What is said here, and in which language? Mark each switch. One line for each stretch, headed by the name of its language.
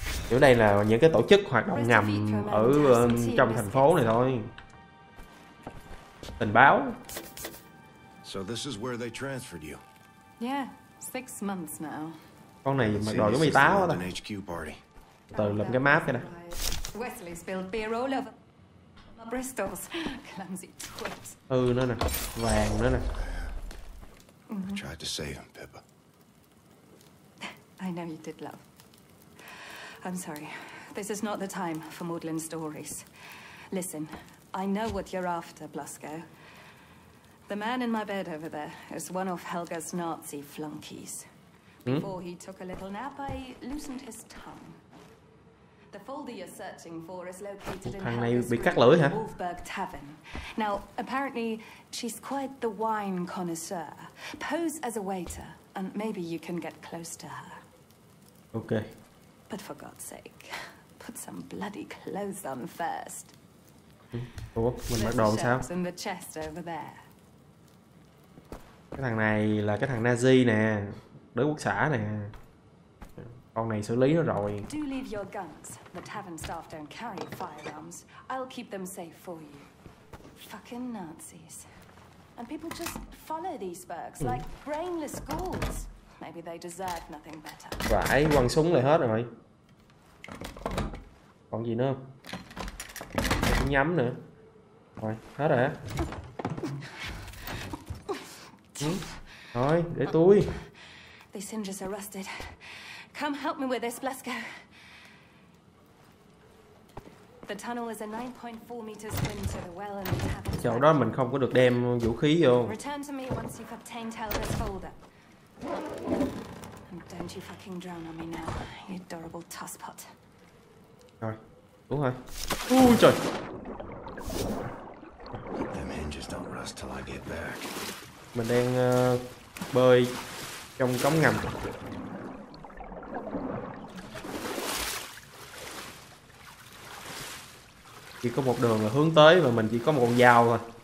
Vietnamese: Chỗ này là những cái tổ chức hoạt động ngầm ở trong thành phố này thôi. Tình báo.
English: So this is where they transferred you. Yeah, 6 months now.
Vietnamese: Con này mặc đồ giống y tá quá ta. Từ lập cái map cái này.
English: Wesley spilled beer all over my Bristol's clumsy twit.
Vietnamese: Ừ nó nè, vàng nó nè.
English: I tried to save him, Pippa. I know you did, love. I'm sorry. This is not the time for maudlin stories. Listen, I know what you're after, Blasco. The man in my bed over there is one of Helga's Nazi flunkies. Before he took a little nap, I loosened his tongue. The folder you're searching for is located in Helga's Wolfberg Tavern. Now, apparently, she's quite the wine connoisseur. Pose as a waiter, and maybe you can get close to her. Okay. But for God's sake, put some bloody clothes on first.
Vietnamese: Ủa, mình mặc đồ sao?
English: In the chest over there.
Vietnamese: Cái thằng này là cái thằng Nazi nè, đế quốc xã nè. Con này xử lý nó rồi.
English: Do leave your guns. The tavern staff don't carry firearms. I'll keep them safe for you. Fucking Nazis. And people just follow these bugs like brainless ghouls. Maybe they deserve nothing better.
Vietnamese: Vãi, quăng súng lại hết rồi. Còn gì nữa không? Cũng nhắm nữa. Rồi, hết rồi hả? Thôi, để tôi.
English: These hinges are rusted. Come help me with this, Blasco. The tunnel is a 9.4 meter swim to the well and the tavern.
Vietnamese: Chỗ đó mình không có được đem vũ khí vô.
English: Return to me once you've obtained Helga's folder. And don't you fucking drown on me now, you adorable tosspot.
Vietnamese: Rồi, đúng rồi. Ui trời.
English: Them hinges don't rust till I get back.
Vietnamese: Mình đang bơi trong cống ngầm. Chỉ có một đường là hướng tới và mình chỉ có một con dao thôi.